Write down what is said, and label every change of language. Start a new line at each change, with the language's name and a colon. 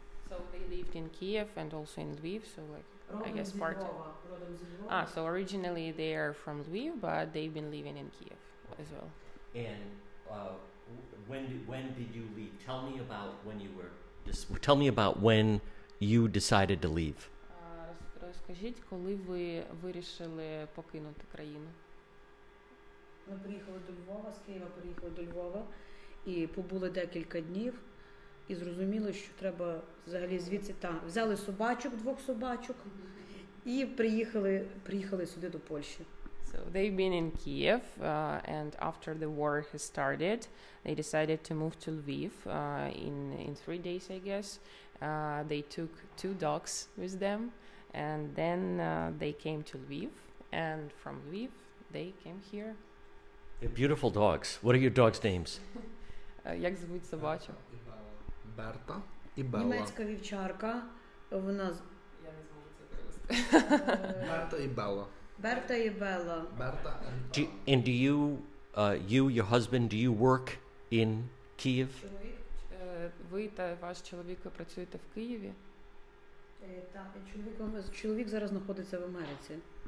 English: So they lived in Kiev and also in Lviv, so like
Ukrainian: родом
English: I guess part of. Ah, so originally they are from Lviv, but they've been living in Kiev as well. And when did you leave? Tell me about when you were. Tell me about when you decided to leave.
Ukrainian: Розкажіть, коли ви вирішили покинути країну? Ми приїхали до Львова, з Києва приїхали до Львова і побули декілька днів. І зрозуміло, що треба взагалі звідси там. Взяли собачок, двох собачок, і приїхали сюди до Польщі.
English: So they've been in Kiev, and after the war has started, they decided to move to Lviv in 3 days, I guess. They took two dogs with them, and then they came to Lviv, and from Lviv they came here. They're beautiful dogs. What are your dogs' names?
Ukrainian: Як звуть собачок? Берта і Белла. Німецька вівчарка. Вона... Я не зможу це перевести. Берта і Белла. Берта і Белла. Берта і Белла.
English: And do you, your husband, do you work in Kyiv?
Ukrainian: Ви та ваш чоловік працюєте в Києві? Так. Чоловік зараз знаходиться в Америці.